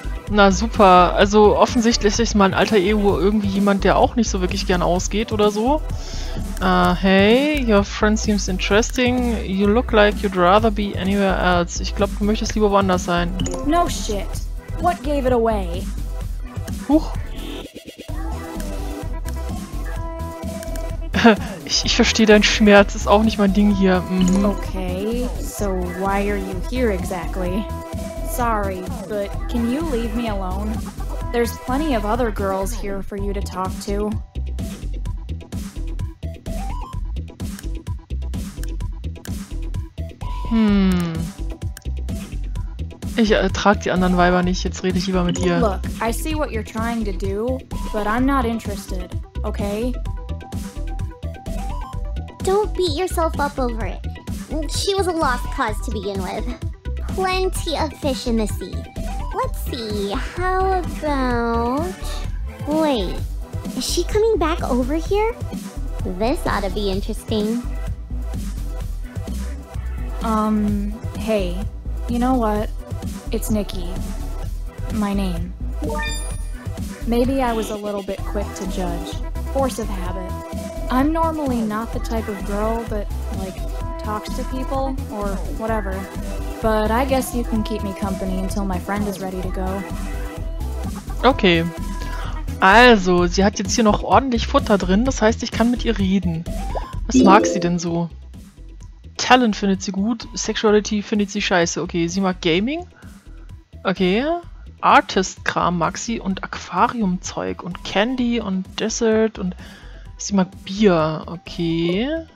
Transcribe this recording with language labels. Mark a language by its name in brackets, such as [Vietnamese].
[German] Na super, also offensichtlich ist mein alter Ego irgendwie jemand, der auch nicht so wirklich gern ausgeht oder so. [English] Hey, your friend seems interesting. You look like you'd rather be anywhere else. [German] Ich glaube, du möchtest lieber woanders sein. [English] No shit. What gave it away? Huch. [German] Ich verstehe deinen Schmerz. Ist auch nicht mein Ding hier. [English] Okay, so why are you here exactly? Sorry, but can you leave me alone? There's plenty of other girls here for you to talk to. [German] Ich ertrag die anderen Weiber nicht, jetzt rede ich lieber mit ihr. [English] Look, I see what you're trying to do, but I'm not interested, okay? Don't beat yourself up over it. She was a lost cause to begin with. Plenty of fish in the sea. Let's see, how about... Wait, is she coming back over here? This ought to be interesting. Hey, you know what? It's Nikki. My name. Maybe I was a little bit quick to judge. Force of habit. I'm normally not the type of girl that, like, talks to people or whatever. But I guess you can keep me company until my friend is ready to go. Okay. [German] Also, sie hat jetzt hier noch ordentlich Futter drin, das heißt, ich kann mit ihr reden. Was mag sie denn so? Talent findet sie gut, Sexuality findet sie scheiße. Okay, sie mag Gaming. Okay. Artist-Kram mag sie und Aquarium-Zeug und Candy und Dessert und sie mag Bier. Okay.